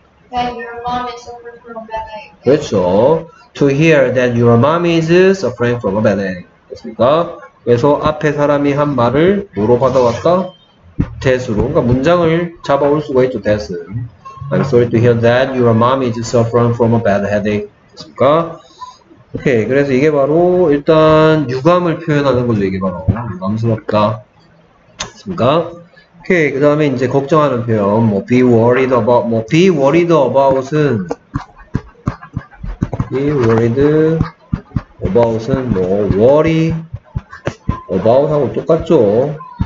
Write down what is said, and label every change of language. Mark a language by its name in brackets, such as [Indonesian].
[English] That your mom is suffering from a bad headache. [Korean] 그렇죠. [English] To hear that your mom is suffering from a bad headache. [Korean] 그렇습니까? 그래서 앞에 사람이 한 말을 뭐로 받아왔다? that으로. 그러니까 문장을 잡아올 수가 있죠. that은. [English] I'm sorry to hear that your mom is suffering from a bad headache. [Korean] 그렇습니까? 오케이. 그래서 이게 바로 일단 유감을 표현하는 거죠. 이게 바로 유감스럽다. 그니까, 오케이. 그 다음에 이제 걱정하는 표현, 뭐 be worried about, 뭐 be worried about은 be worried about은 뭐 worry about 하고 똑같죠.